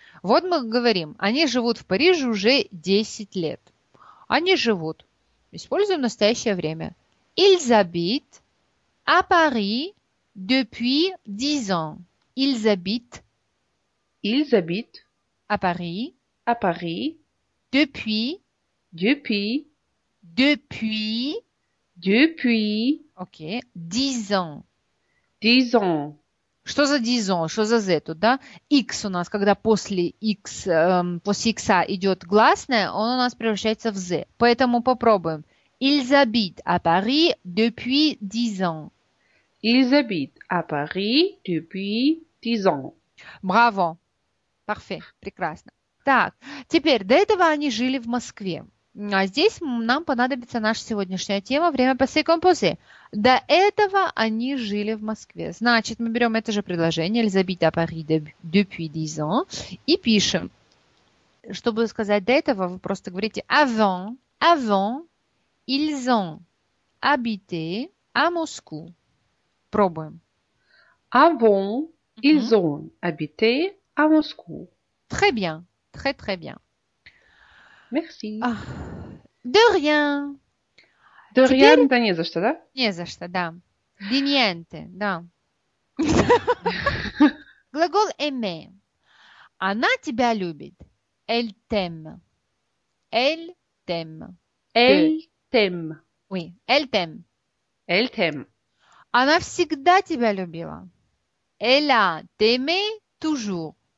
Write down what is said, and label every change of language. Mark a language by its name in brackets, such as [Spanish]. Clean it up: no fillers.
[Russian] Вот мы говорим, они живут в Париже уже 10 лет. Они живут. Используем настоящее время. [French] Ils habitent à Paris depuis 10 ans. Ils habitent. Ils habitent. À Paris. À Paris. Depuis. Depuis. Depuis. Depuis. Ok. 10 ans. 10 ans. [Russian] Что за дизон? Что за зету, да? X у нас, когда после X, после X идет гласное, он у нас превращается в Z. Поэтому попробуем. [French] Ils habitent à Paris depuis 10 ans. Ils habitent à Paris depuis 10 ans. [Russian] Браво. Парфе. Прекрасно. Так, теперь до этого они жили в Москве. А здесь нам понадобится наша сегодняшняя тема «Время passé composé». До этого они жили в Москве. Значит, мы берем это же предложение [French] «Ils habitent à Paris depuis 10 ans» [Russian] и пишем. Чтобы сказать «до этого», вы просто говорите «avant», «avant», [French] «ils ont habité à Moscou». [Russian] Пробуем. [French] Avant, ils ont habité à Moscou. Très bien, très très bien. Merci. Ah, de rien. De rien, [Russian] Теперь да не за что, да? не за что, да. [Italian] De niente, [Russian] да. Глагол aimer. Она тебя любит. [French] Elle t'aime. Elle t'aime. De. Elle t'aime. Oui, elle t'aime. Elle t'aime. [Russian] Она всегда тебя любила. [French] Elle a t'aimé toujours.